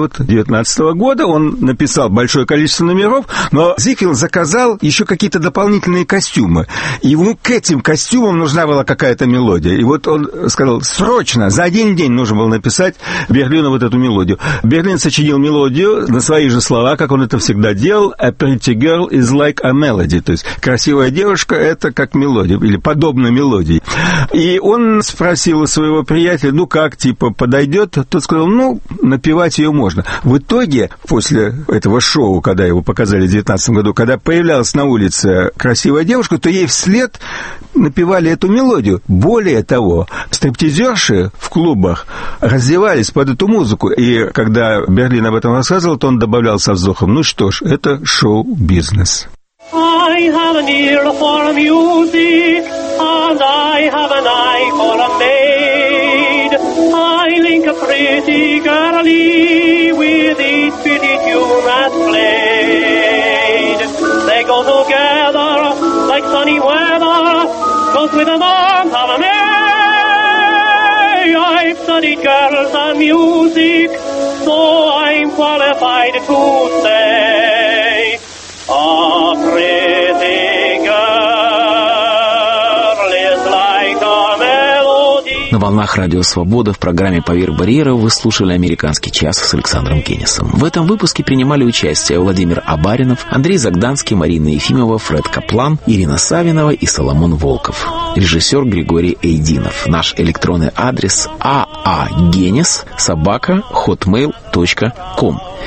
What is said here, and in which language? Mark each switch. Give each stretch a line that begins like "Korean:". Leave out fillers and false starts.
Russian: Вот 19 года он написал большое количество номеров, но Зигфилд заказал еще какие-то дополнительные костюмы. И ему к этим костюмам нужна была какая-то мелодия. И вот он сказал, срочно, за один день нужно было написать Берлину вот эту мелодию. Берлин сочинил мелодию на свои же слова, как он это всегда делал.
English: A pretty girl is like a melody.
Russian: То есть, красивая девушка – это как мелодия, или подобно мелодии. И он спросил у своего приятеля, ну как, типа, подойдет? Тот сказал, ну, напевать ее можно. В итоге, после этого шоу, когда его показали в 19 году, когда появлялась на улице красивая девушка, то ей вслед напевали эту мелодию. Более того, стриптизерши в клубах раздевались под эту музыку. И когда Берлин об этом рассказывал, то он добавлял со вздохом, ну что ж, это шоу-бизнес.
English: I have an ear for music, and I have an eye for a maid. I link a pretty girlie with each pretty tune that's played. They go together like sunny weather, goes with a month of May. I've studied girls and music, so I'm qualified to say. A pretty girl is like a melody.
Russian: На волнах Радио Свобода в программе «Поверх барьера» вы слушали «Американский час» с Александром Кеннисом. В этом выпуске принимали участие Владимир Абаринов, Андрей Загданский, Марина Ефимова, Фред Каплан, Ирина Савинова и Соломон Волков. Режиссер Григорий Эйдинов. Наш электронный адрес aagenis@hotmail.com.